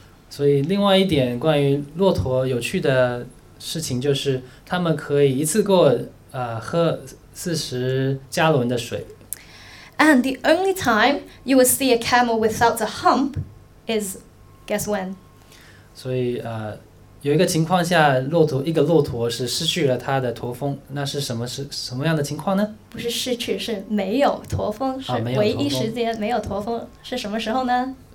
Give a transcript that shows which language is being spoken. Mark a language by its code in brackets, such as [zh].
[zh] 所以另外一点关于骆驼有趣的事情就是它们可以一次过喝40加仑的水。 [en] And the only time you will see a camel without a hump is guess when? [zh] 所以有一个情况下一个骆驼是失去了它的驼峰，那是什么样的情况呢？不是失去，是没有驼峰，是唯一时间没有驼峰，是什么时候呢？